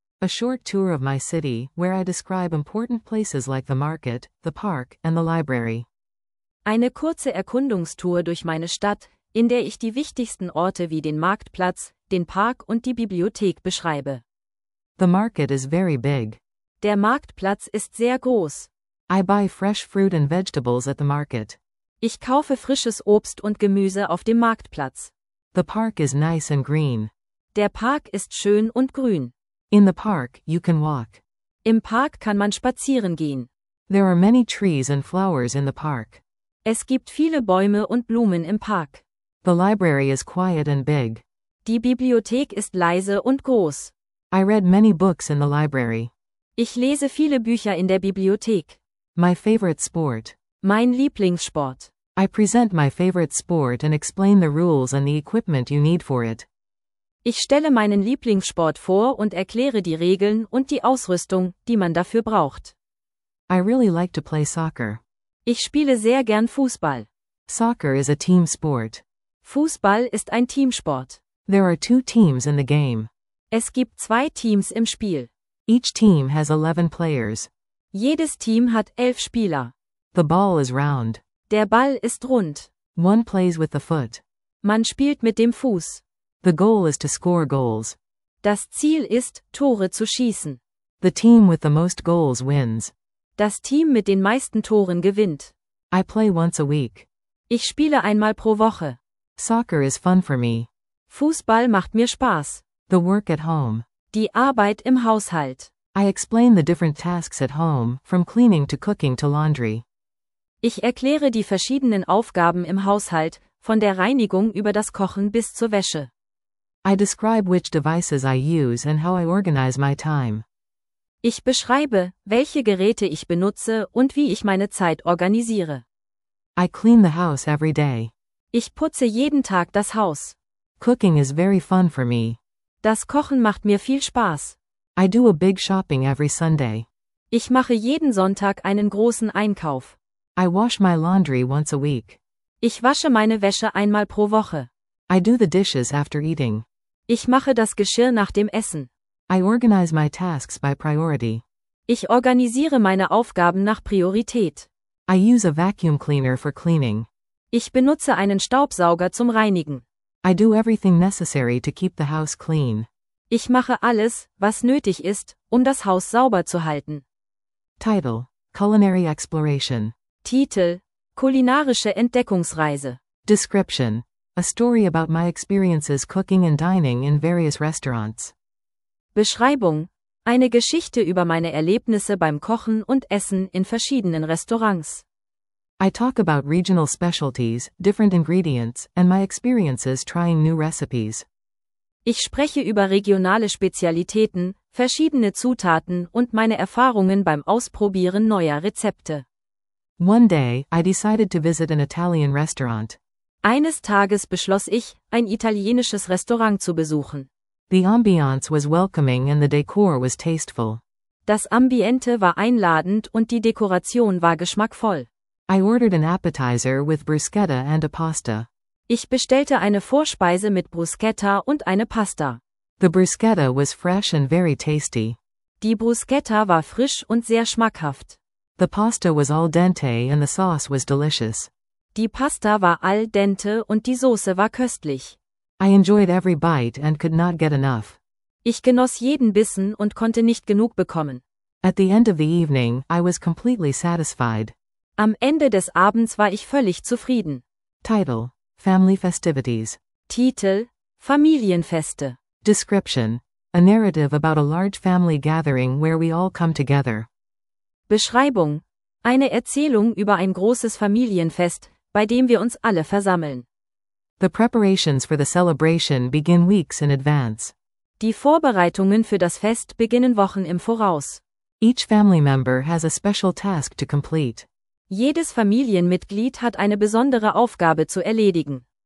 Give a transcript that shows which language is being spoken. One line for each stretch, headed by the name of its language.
English: A short tour of my city, where I describe important places like the market, the park, and the library.
German: Eine kurze Erkundungstour durch meine Stadt, in der ich die wichtigsten Orte wie den Marktplatz, den Park und die Bibliothek beschreibe.
English: The market is very big.
German: Der Marktplatz ist sehr groß.
English: I buy fresh fruit and vegetables at the market.
German: Ich kaufe frisches Obst und Gemüse auf dem Marktplatz.
English: The park is nice and green.
German: Der Park ist schön und grün.
English: In the park, you can walk.
German: Im Park kann man spazieren gehen.
English: There are many trees and flowers in the park.
German: Es gibt viele Bäume und Blumen im Park.
English: The library is quiet and big.
German: Die Bibliothek ist leise und groß.
English: I read many books in the library.
German: Ich lese viele Bücher in der Bibliothek.
English: My favorite sport.
German: Mein Lieblingssport.
English: I present my favorite sport and explain the rules and the equipment you need for it.
German: Ich stelle meinen Lieblingssport vor und erkläre die Regeln und die Ausrüstung, die man dafür braucht.
English: I really like to play soccer.
German: Ich spiele sehr gern Fußball.
English: Soccer is a team sport.
German: Fußball ist ein Teamsport.
English: There are two teams in the game.
German: Es gibt zwei Teams im Spiel.
English: Each team has 11 players.
German: Jedes Team hat 11 Spieler.
English: The ball is round.
German: Der Ball ist rund.
English: One plays with the foot.
German: Man spielt mit dem Fuß.
English: The goal is to score goals.
German: Das Ziel ist, Tore zu schießen.
English: The team with the most goals wins.
German: Das Team mit den meisten Toren gewinnt.
English: I play once a week.
German: Ich spiele einmal pro Woche.
English: Soccer is fun for me.
German: Fußball macht mir Spaß.
English: The work at home.
German: Die Arbeit im Haushalt.
English: I explain the different tasks at home, from cleaning to cooking to laundry.
German: Ich erkläre die verschiedenen Aufgaben im Haushalt, von der Reinigung über das Kochen bis zur Wäsche.
English: I describe which devices I use and how I organize my time.
German: Ich beschreibe, welche Geräte ich benutze und wie ich meine Zeit organisiere.
English: I clean the house every day.
German: Ich putze jeden Tag das Haus.
English: Cooking is very fun for me.
German: Das Kochen macht mir viel Spaß.
English: I do a big shopping every Sunday.
German: Ich mache jeden Sonntag einen großen Einkauf.
English: I wash my laundry once a week.
German: Ich wasche meine Wäsche einmal pro Woche.
English: I do the dishes after eating.
German: Ich mache das Geschirr nach dem Essen.
English: I organize my tasks by priority.
German: Ich organisiere meine Aufgaben nach Priorität.
English: I use a vacuum cleaner for cleaning.
German: Ich benutze einen Staubsauger zum Reinigen.
English: I do everything necessary to keep the house clean.
German: Ich mache alles, was nötig ist, um das Haus sauber zu halten.
English: Title: Culinary Exploration.
German: Titel: Kulinarische Entdeckungsreise.
English: Description: A story about my experiences cooking and dining in various restaurants.
German: Beschreibung: Eine Geschichte über meine Erlebnisse beim Kochen und Essen in verschiedenen Restaurants.
English: I talk about regional specialties, different ingredients, and my experiences trying new recipes.
German: Ich spreche über regionale Spezialitäten, verschiedene Zutaten und meine Erfahrungen beim Ausprobieren neuer Rezepte.
English: One day, I decided to visit an Italian restaurant.
German: Eines Tages beschloss ich, ein italienisches Restaurant zu besuchen.
English: The ambiance was welcoming and the decor was tasteful.
German: Das Ambiente war einladend und die Dekoration war geschmackvoll.
English: I ordered an appetizer with bruschetta and a pasta.
German: Ich bestellte eine Vorspeise mit Bruschetta und eine Pasta.
English: The bruschetta was fresh and very tasty.
German: Die Bruschetta war frisch und sehr schmackhaft.
English: The pasta was al dente and the sauce was delicious.
German: Die Pasta war al dente und die Soße war köstlich.
English: I enjoyed every bite and could not get enough.
German: Ich genoss jeden Bissen und konnte nicht genug bekommen.
English: At the end of the evening, I was completely satisfied.
German: Am Ende des Abends war ich völlig zufrieden.
English: Title: Family Festivities.
German: Titel: Familienfeste.
English: Description: A narrative about a large family gathering where we all come together.
German: Beschreibung: Eine Erzählung über ein großes Familienfest, bei dem wir uns alle versammeln.
English: The preparations for the celebration begin weeks in advance.
German: Die Vorbereitungen für das Fest beginnen Wochen im Voraus.
English: Each family member has a special task to complete.
German: Jedes Familienmitglied hat eine besondere Aufgabe zu erledigen.